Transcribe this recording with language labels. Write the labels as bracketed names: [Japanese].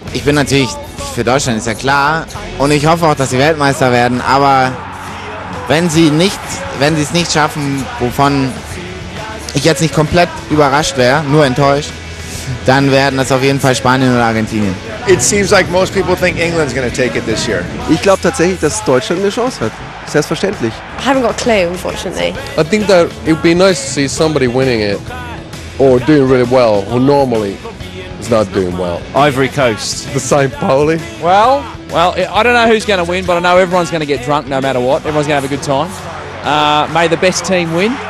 [German] Ich bin natürlich für Deutschland, ist ja klar. Und ich hoffe auch, dass sie Weltmeister werden. Aber wenn sie es nicht schaffen, wovon ich jetzt nicht komplett überrascht wäre, nur enttäuscht, dann werden das auf jeden Fall Spanien oder Argentinien. [English] It seems like most people think England's gonna take it this year. [German] Ich glaube tatsächlich, dass Deutschland eine Chance hat. Selbstverständlich. [English] I haven't got a clue, unfortunately. I think that it would be nice to see somebody winning it or doing really well, who normally is not doing well. Ivory Coast. The St. Pauli. Well, I don't know who's gonna win, but I know everyone's gonna get drunk no matter what. Everyone's gonna have a good time. May the best team win.